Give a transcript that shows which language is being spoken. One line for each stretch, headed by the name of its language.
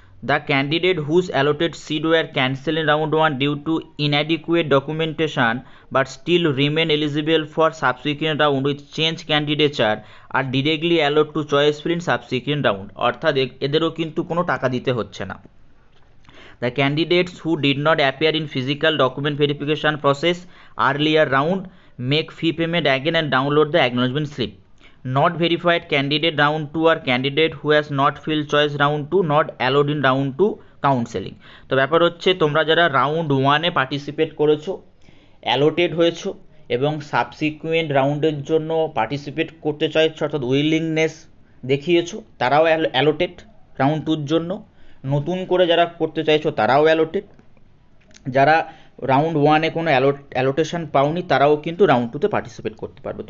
English: the candidate whose allotted seat were cancel in round one due to inadequate documentation but still remain eligible for subsequent round with change candidature are directly allowed to choice fill in subsequent round,
Bangla: অর্থাৎ এদেরও কিন্তু কোনো টাকা দিতে হচ্ছে না।
English: The candidates who did not appear in physical document verification process earlier round make fee payment again and download the acknowledgement slip. Not verified candidate round 2 or candidate who has not filled choice round 2 not allowed in round 2 counseling।
Bangla: তো ব্যাপার হচ্ছে তোমরা যারা round ওয়ানে participate করেছো allotted হয়েছো এবং subsequent রাউন্ডের জন্য পার্টিসিপেট করতে চাইছো অর্থাৎ উইলিংনেস দেখিয়েছো তারাও অ্যালোটেড রাউন্ড টুর জন্য, নতুন করে যারা করতে চাইছো তারাও অ্যালোটেড, যারা রাউন্ড ওয়ানে কোনো অ্যালোটেশন পাওনি তারাও কিন্তু রাউন্ড টুতে পার্টিসিপেট করতে পারবে।